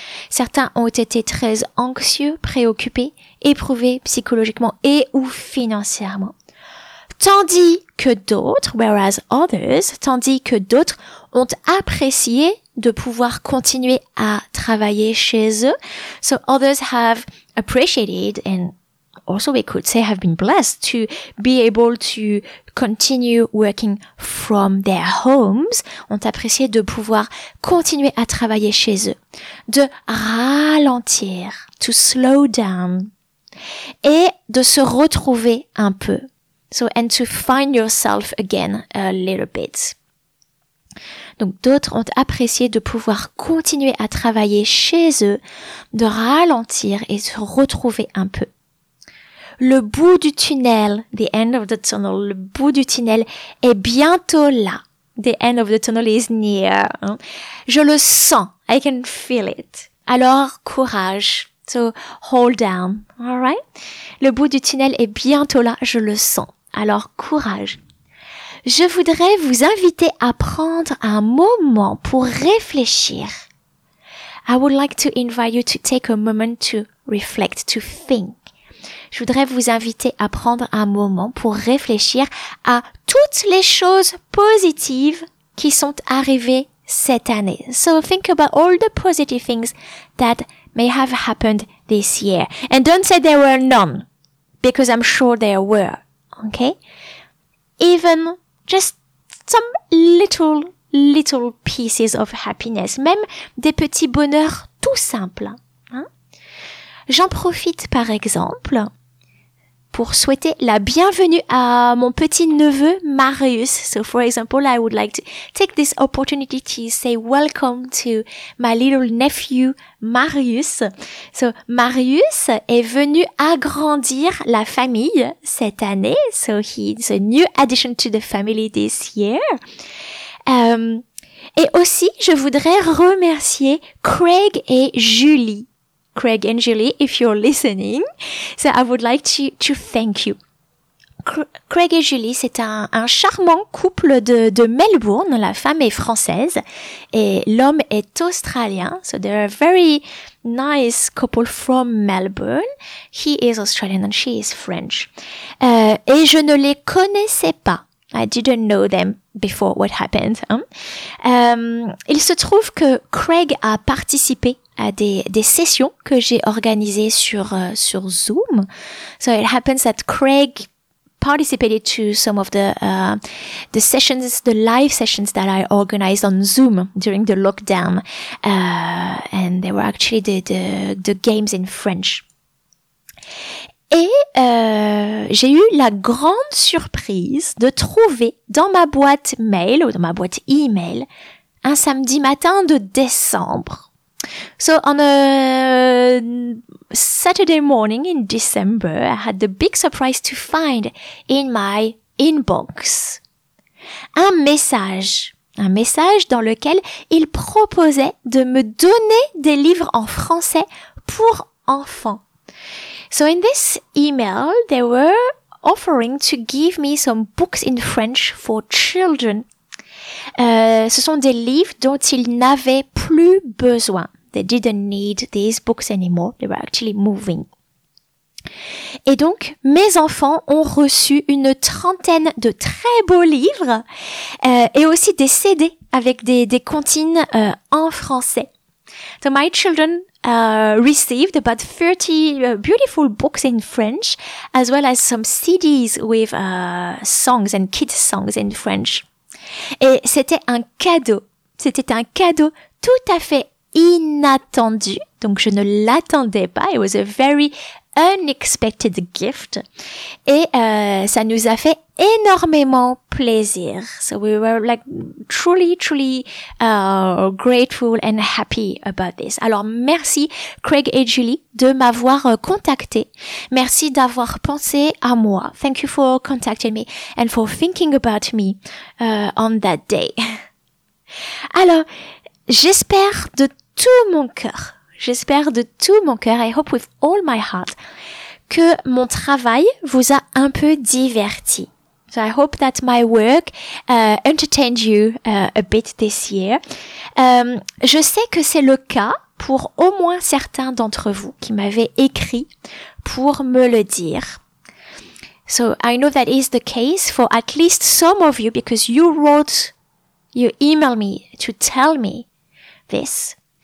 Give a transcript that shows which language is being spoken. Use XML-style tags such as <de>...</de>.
<fr>Certains ont été très anxieux, préoccupés, éprouvés psychologiquement et ou financièrement. Tandis que d'autres,</fr> <en>whereas others,</en> <fr>tandis que d'autres ont apprécié de pouvoir continuer à travailler chez eux.</fr> <en>So others have appreciated and also we could say have been blessed to be able to continue working from their homes,</en> <fr>ont apprécié de pouvoir continuer à travailler chez eux, de ralentir,</fr> <en>to slow down,</en> <fr>et de se retrouver un peu.</fr> <en>So, and to find yourself again a little bit.</en> <fr>Donc, d'autres ont apprécié de pouvoir continuer à travailler chez eux, de ralentir et se retrouver un peu. Le bout du tunnel,</fr> <en>the end of the tunnel,</en> <fr>le bout du tunnel est bientôt là.</fr> <en>The end of the tunnel is near.</en> <fr>Je le sens.</fr> <en>I can feel it.</en> <fr>Alors, courage.</fr> <en>So, hold on. All right?</en> <fr>Le bout du tunnel est bientôt là. Je le sens. Alors, courage. Je voudrais vous inviter à prendre un moment pour réfléchir.</fr> <en>I would like to invite you to take a moment to reflect, to think.</en> <fr>Je voudrais vous inviter à prendre un moment pour réfléchir à toutes les choses positives qui sont arrivées cette année.</fr> <en>So think about all the positive things that may have happened this year. And don't say there were none, because I'm sure there were. Okay? Even just some little pieces of happiness.</en> <fr>Même des petits bonheurs tout simples. Hein? J'en profite par exemple pour souhaiter la bienvenue à mon petit neveu Marius.</fr> <en>So for example, I would like to take this opportunity to say welcome to my little nephew Marius.</en> <fr>So Marius est venu agrandir la famille cette année.</fr> <en>So he's a new addition to the family this year.</en> <fr>Et aussi, je voudrais remercier Craig et Julie.</fr> <en>Craig and Julie, if you're listening. So I would like to thank you.</en> <fr>Craig et Julie, c'est un charmant couple de Melbourne. La femme est française et l'homme est australien.</fr> <en>So they're a very nice couple from Melbourne. He is Australian and she is French.</en> <fr>Et je ne les connaissais pas.</fr> <en>I didn't know them before what happened. Hein?</en> <fr>Il se trouve que Craig a participé à des sessions que j'ai organisées sur Zoom.</fr> <en>So it happens that Craig participated to some of the sessions, the live sessions that I organized on Zoom during the lockdown. And they were actually the games in French.</en> <fr>Et j'ai eu la grande surprise de trouver dans ma boîte mail ou dans ma boîte email un samedi matin de décembre.</fr> <en>So on a Saturday morning in December, I had the big surprise to find in my inbox</en> <fr>un message dans lequel il proposait de me donner des livres en français pour enfants.</fr> <en>So in this email, they were offering to give me some books in French for children.</en> <fr>Ce sont des livres dont ils n'avaient plus besoin.</fr> <en>They didn't need these books anymore. They were actually moving.</en> <fr>Et donc, mes enfants ont reçu une trentaine de très beaux livres et aussi des CD avec des comptines en français.</fr> <en>So my children received about 30 beautiful books in French, as well as some CDs with songs and kids songs in French.</en> <fr>Et c'était un cadeau. C'était un cadeau tout à fait inattendu. Donc je ne l'attendais pas.</fr> <en>It was a very unexpected gift.</en> <fr>Et ça nous a fait énormément plaisir.</fr> <en>So we were like truly grateful and happy about this.</en> <fr>Alors merci Craig et Julie de m'avoir contacté. Merci d'avoir pensé à moi.</fr> <en>Thank you for contacting me and for thinking about me on that day.</en> <fr>Alors j'espère de tout mon cœur. J'espère de tout mon cœur,</fr> <en>I hope with all my heart,</en> <fr>que mon travail vous a un peu diverti.</fr> <en>So I hope that my work entertained you a bit this year.</en> <fr>Je sais que c'est le cas pour au moins certains d'entre vous qui m'avaient écrit pour me le dire.</fr> <en>So I know that is the case for at least some of you because you emailed me to tell me this.</en>